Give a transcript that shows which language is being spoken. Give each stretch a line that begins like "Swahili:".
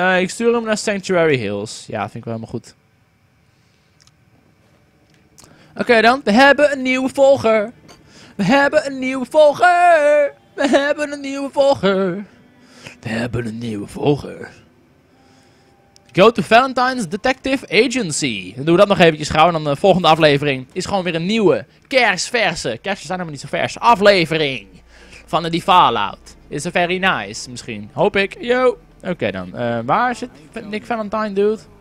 Dutch: Ik stuur hem naar Sanctuary Hills. Ja, vind ik wel helemaal goed. Oké, dan. We hebben een nieuwe volger. We hebben een nieuwe volger. We hebben een nieuwe volger. We hebben een nieuwe volger.
English: Go to Valentine's Detective Agency.
Dutch: Dan doen we dat nog eventjes gauw. En dan de volgende aflevering is gewoon weer een nieuwe kerstverse. Kerstjes zijn helemaal niet zo vers. Aflevering van die Fallout. Is er
English: very nice,
Dutch: misschien. Hoop ik. Yo. Oké dan. Waar zit Nick Valentine, dude?